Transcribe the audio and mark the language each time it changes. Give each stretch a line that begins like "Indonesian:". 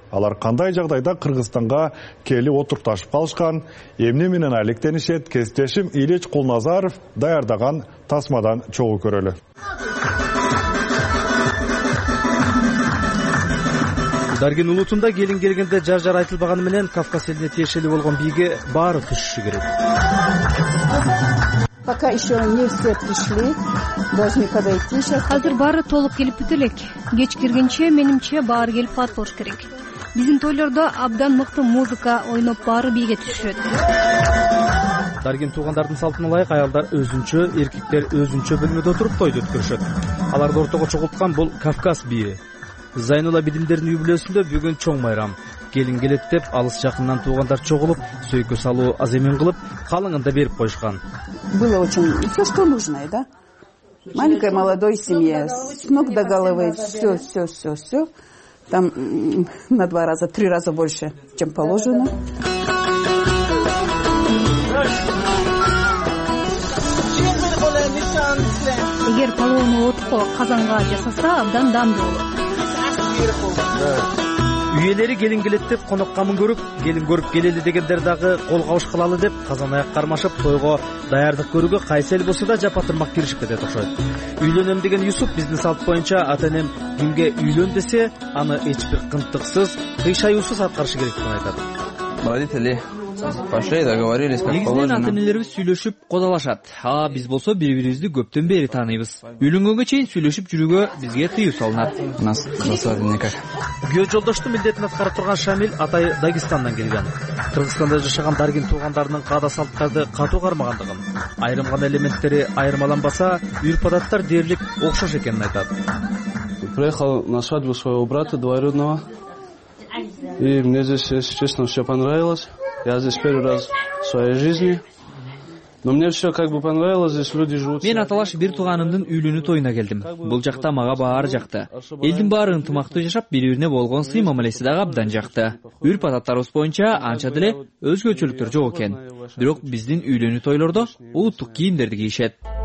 Kyrgyz: Алар кандай жагдайда Кыргызстанга келип отурташып калышкан, эмне менен алектенишет, кестешим Ильич Кулназаров даярдаган тасмадан чогуу көрөлү. Дарген улутунда келин келгенде жар-жар айтылбаганы менен Кавказ элине тиешелүү болгон бийге баары түшүшү керек.
Russian: Пока еще не все пришли, должны подойти. Сейчас
Kyrgyz: азыр баары толук келип бүтө элек. Кеч киргенче менимче баары келип пат болуш керек. Биздин тойлордо абдан мыкты музыка ойноп баары бийге түшүшөт. Дарген туугандардын салтына ылайык аялдар өзүнчө, эркектер өзүнчө бөлмөдө отуруп тойду өткөрүшөт. Аларды ортого чогултуп бул Кавказ бийи. Зайнула билимдердин юбилейсинде бүгүн чоң майрам. Келин келет деп алыс жакындан туугандар чогулуп, сөйкө салуу аземин кылып, калыңын да берип коюшкан.
Russian: Было очень всё, что нужно, да? Маленькая молодой семья, с ног до головы, всё. Там на два раза, три раза больше, чем положено.
Kyrgyz: Эгер палоону отко казанга жасаса, абдан дамдуу болот. Үйелери келин келет деп конок камын көрүп, келин көрүп келели дегендер дагы кол кабыш кылалы деп казан аяк кармашып тойго даярдык көрүүгө кайсы эл болсо да жапа тырмак киришип кетет окшойт. Үйлөнөм деген Юсуп биздин салт боюнча ата энем кимге үйлөн десе аны эч бир кынтыксыз, кыйшаюусуз аткарышы керек деп айтат.
Russian: Родители пошли, договорились, как положено.
Kyrgyz: Негизинен ата-энелерибиз сүйлөшүп кодолашат. А биз болсо бири-бирибизди көптөн бери тааныйбыз. Үйлөнгөнгө чейин сүйлөшүп жүрүүгө бизге тыюу салынат.
Russian: У нас свадьба никак.
Kyrgyz: Күйөө жолдоштун милдетин аткарып турган Шамил атай Дагестандан келген. Кыргызстанда жашаган дарген туугандарынын каада салттарды катуу кармагандыгын, айрым гана элементтери айырмаланбаса, үрп адаттар дээрлик окшош экенин айтат.
Russian: Приехал на свадьбу своего брата двоюродного. И мне здесь, если честно, все понравилось. Я здесь первый раз в своей жизни. Но мне все как бы понравилось, здесь люди живут.
Kyrgyz: Мен аталаш бир тууганымдын үйлөнүү тоюна келдим. Бул жакта мага баары жакты. Элдин баары ынтымактуу жашап, бири-бирине болгон сый мамилеси дагы абдан жакты. Үрп адаттарыбыз боюнча анча деле өзгөчөлүктөр жок экен. Бирок биздин үйлөнүү тойлордо улуттук кийимдерди кийишет.